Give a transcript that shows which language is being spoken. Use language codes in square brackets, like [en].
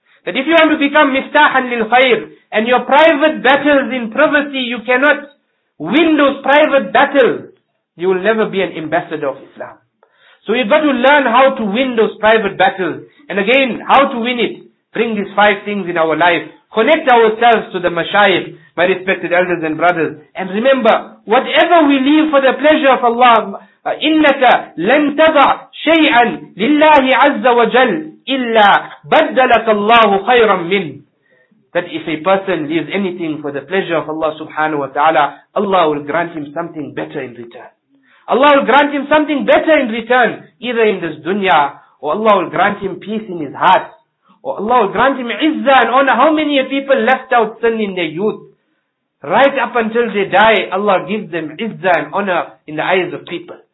[en] That if you want to become miftahan lil khair and your private battles in privacy, you cannot win those private battles, you will never be an ambassador of Islam. So you've got to learn how to win those private battles. And again, how to win it? Bring these five things in our life. Connect ourselves to the mashayikh, my respected elders and brothers. And remember, whatever we leave for the pleasure of Allah, [ar] إِنَّكَ لَنْ تَضَعْ شَيْئًا لِلَّهِ عَزَّ وَجَلْ إِلَّا بَدَّلَكَ اللَّهُ خَيْرًا مِنْ. [en] That if a person leaves anything for the pleasure of Allah subhanahu wa ta'ala, Allah will grant him something better in return. Allah will grant him something better in return, either in this dunya, or Allah will grant him peace in his heart, or Allah will grant him izzah and honor. How many people left out sin in their youth? Right up until they die, Allah gives them izzah and honor in the eyes of people.